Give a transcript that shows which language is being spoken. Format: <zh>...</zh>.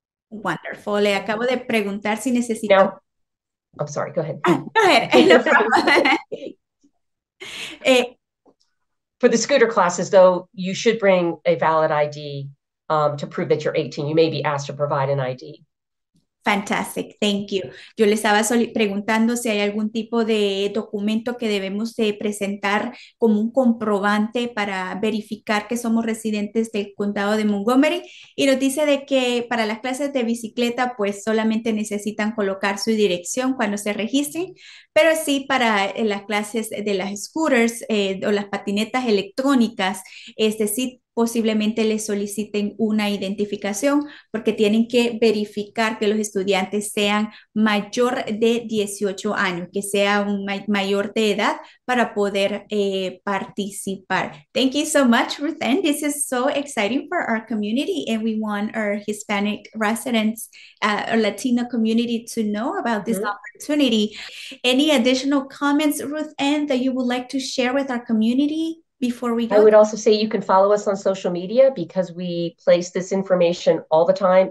<en>Wonderful.</en> <es>Le acabo de preguntar si necesito.</es> <en>Now, I'm sorry, go ahead. Ah, go ahead. No problem. For the scooter classes, though, you should bring a valid ID to prove that you're 18. You may be asked to provide an ID. Fantastic, thank you.</en> <es>Yo le estaba preguntando si hay algún tipo de documento que debemos de presentar como un comprobante para verificar que somos residentes del condado de Montgomery y nos dice de que para las clases de bicicleta pues solamente necesitan colocar su dirección cuando se registren, pero sí para las clases de las scooters o las patinetas electrónicas, sí. Posiblemente les soliciten una identificación porque tienen que verificar que los estudiantes sean mayor de 18 años, que sea un mayor de edad para poder participar.</es> <en>Thank you so much, Ruth Ann. This is so exciting for our community and we want our Hispanic residents or Latino community to know about this opportunity. Any additional comments, Ruth Ann, that you would like to share with our community before we I go? would also say you can follow us on social media, because we place this information all the time.</en>